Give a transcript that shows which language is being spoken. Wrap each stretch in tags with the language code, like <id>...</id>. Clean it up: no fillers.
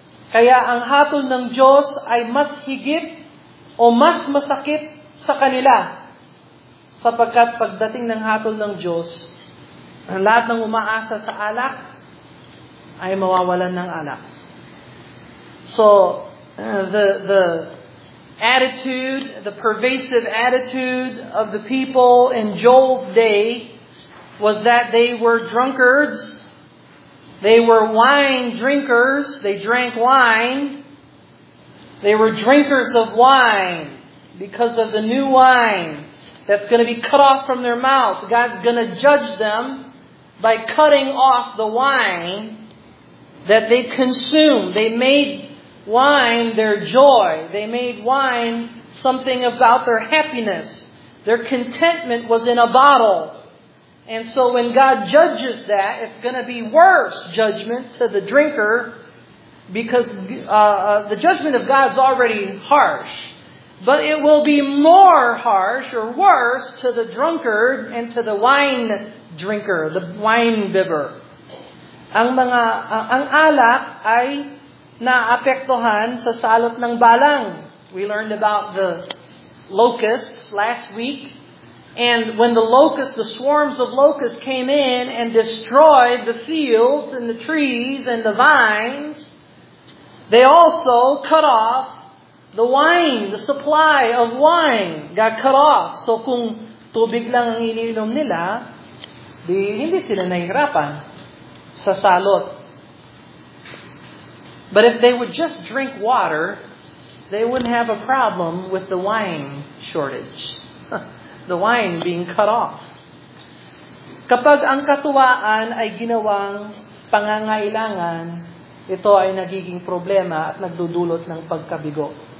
<tl>Kaya ang hatol ng Diyos ay mas higit o mas masakit sa kanila. Sapagkat pagdating ng hatol ng Diyos, ang lahat ng umaasa sa alak ay mawawalan ng alak.</tl> <en>So, the attitude, the pervasive attitude of the people in Joel's day was that they were drunkards, they were wine drinkers, they drank wine, they were drinkers of wine because of the new wine that's going to be cut off from their mouth. God's going to judge them by cutting off the wine that they consume. They made wine their joy. They made wine something about their happiness. Their contentment was in a bottle. And so when God judges that, it's going to be worse judgment to the drinker, because the judgment of God's already harsh. But it will be more harsh or worse to the drunkard and to the wine drinker, the wine bibber.</en> <tl>Ang alak ay naapektuhan sa salot ng balang.</tl> <en>We learned about the locusts last week. And when the locusts, the swarms of locusts came in and destroyed the fields and the trees and the vines, they also cut off the wine, the supply of wine got cut off.</en> <tl>So kung tubig lang ang ininom nila, di hindi sila nahihirapan sa salot.</tl> <en>But if they would just drink water, they wouldn't have a problem with the wine shortage. The wine being cut off.</en> <tl>Kapag ang katuwaan ay ginawang pangangailangan, ito ay nagiging problema at nagdudulot ng pagkabigo.</tl>